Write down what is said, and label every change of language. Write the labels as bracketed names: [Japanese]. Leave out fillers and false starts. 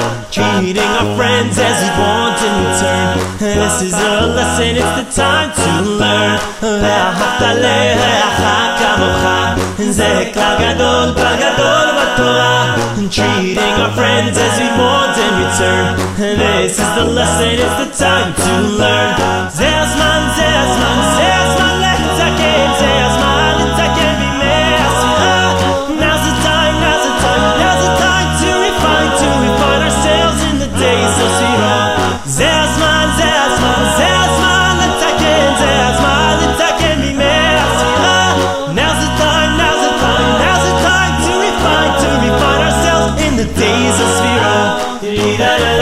[English] Treating our friends as we want in return. This is a lesson, it's the time to learn. [Hebrew] ואהבת לרעך כמוך, זה כלל גדול, כלל גדול בתורה. [English] Treating our friends as we want in return. This is the lesson, it's the time to learn. [Hebrew] זה הזמן, זה הזמן, זה הזמן לתקן. זה הזמן לתקן בימי הספירה. [English] Now's the time, now's the time, now's the time to refine, to refine ourselves in the days of Sphira. [Hebrew] זה הזמן, זה הזמן, זה הזמן לתקן. זה הזמן לתקן בימי הספירה. [English] Now's the time, now's the time, now's the time to refine, to refine ourselves in the days of Sphira.